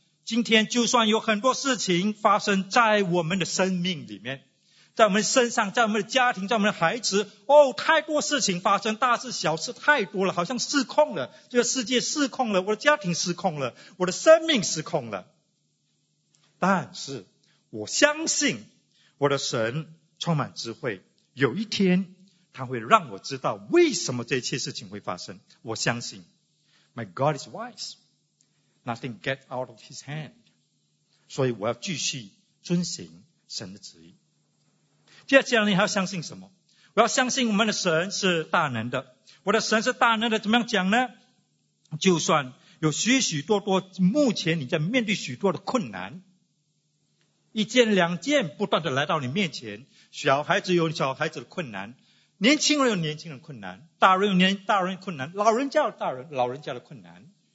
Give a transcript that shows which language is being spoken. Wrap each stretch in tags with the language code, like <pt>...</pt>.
<zh>今天就算有很多事情发生在我们的生命里面，在我们身上，在我们的家庭，在我们的孩子，哦，太多事情发生，大事小事太多了，好像失控了，这个世界失控了，我的家庭失控了，我的生命失控了。但是我相信我的神充满智慧，有一天他会让我知道为什么这一切事情会发生。我相信</zh> <en>My God is wise. Nothing gets out of his hand.</en> <zh>所以我要继续遵行神的旨意。接下来你还要相信什么？我要相信我们的神是大能的。我的神是大能的，怎么样讲呢？就算有许许多多目前你在面对许多的困难，一件两件不断地来到你面前，小孩子有小孩子的困难，年轻人有年轻人的困难，大人有大人的困难，老人家有老人家的困难。</zh>